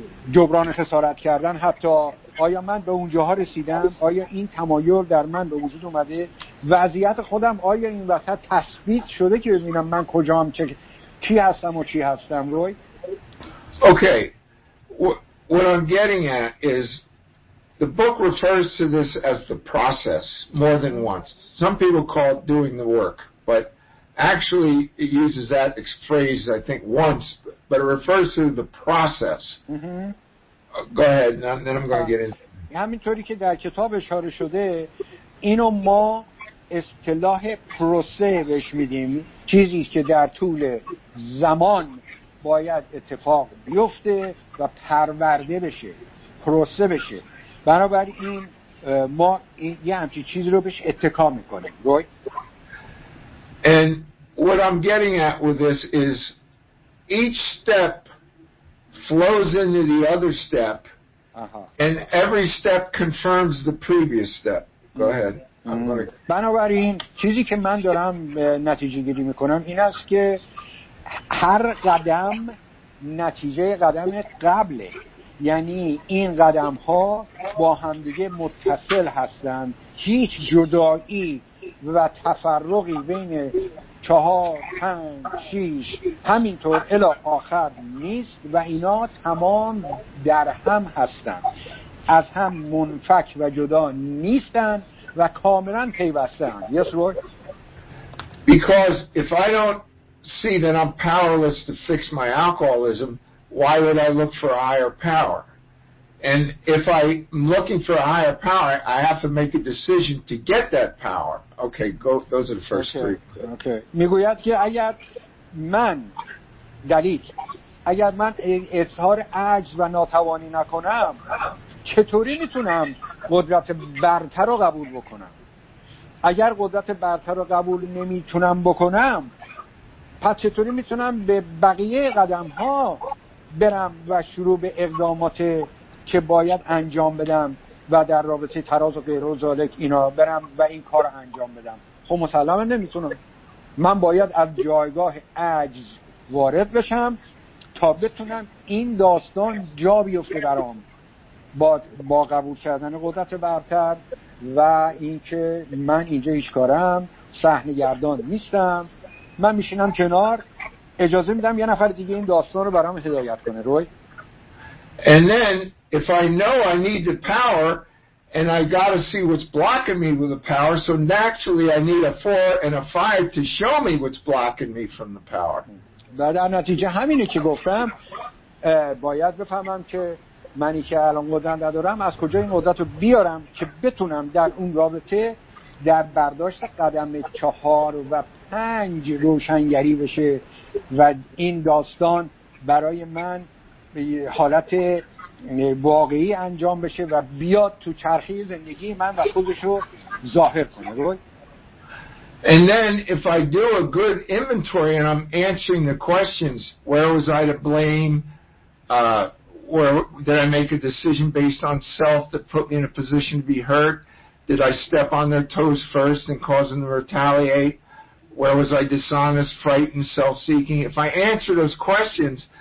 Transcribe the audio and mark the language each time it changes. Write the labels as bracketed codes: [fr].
[fa] جبران خسارت کردن، حتی آیا من به اونجاها رسیدم، آیا این تمایل در من به وجود اومده، وضعیت خودم آیا این وسط تثبیت شده که ببینم من کجام، کی هستم و چی هستم. روی [en] Okay, what I'm getting at is the book refers to this as the process more than once. Some people call it doing the work, but actually it uses that phrase, I think, once, but it refers to the process. Mm-hmm. Go ahead, and then I'm going to get into it. [fa] همینطوری که در کتاب اشاره شده، اینو ما اصطلاح پروسه بهش میدیم، چیزی که در طول زمان باید اتفاق بیفته و پرورده بشه، پروسه بشه. بنابراین ما یه همچین چیز رو بهش اتکا میکنیم. روی؟ [en] And what I'm getting at with this is each step flows into the other step, and every step confirms the previous step. Go ahead. [fa] بنابراین چیزی که من دارم نتیجه گیری میکنم این است که هر قدم نتیجه قدم قبله، یعنی این قدم ها با همدیگه متصل هستند، هیچ جدایی و تفرقی بین 4, 5, 6 همینطور الی آخر نیست و اینا تمام در هم هستند، از هم منفک و جدا نیستند و کاملا پیوستند. [en] Yes, Lord. Because if I don't see that I'm powerless to fix my alcoholism, why would I look for a higher power? And if I'm looking for a higher power, I have to make a decision to get that power. Okay, go. Those are the first okay. three. Okay. [fa] میگوید که اگر من دلیل، اگر من اظهار عجز و ناتوانی نکنم، چطوری میتونم قدرت برتر رو قبول بکنم؟ اگر قدرت برتر رو قبول نمیتونم بکنم، پس چطوری میتونم به بقیه قدم ها برم و شروع به اقدامات که باید انجام بدم و در رابطه تراز و غیر و ذالک اینا برم و این کار رو انجام بدم؟ خب مسلمه نمیتونم، من باید از جایگاه عجز وارد بشم تا بتونم این داستان جا بیفته برام با قبول کردن قدرت برتر و اینکه من اینجا هیچ کارم، صحنه گردان نیستم، من میشینم کنار، اجازه میدم یه نفر دیگه این داستان رو برام هدایت کنه. روی [en] And then if I know I need the power and I got to see what's blocking me with the power, so naturally I need a 4 and a 5 to show me what's blocking me from the power. [fa] بعد از نتیجه همینه که گفتم باید بفهمم که منی که الان قدرت ندارم از کجا این قدرت رو بیارم که بتونم در اون رابطه در برداشت قدم 4 و 5 روشنگری بشه و این داستان برای من به حالت واقعی انجام بشه و بیاد تو چرخه زندگی من و خودش رو ظاهر کنه. [en] And then if I do a good inventory and I'm answering the questions, where was I to blame, where did I make a decision based on self that put me in a position to be hurt, did I step on their toes first and cause them to retaliate, where was I dishonest, frightened, self-seeking, if I answer those questions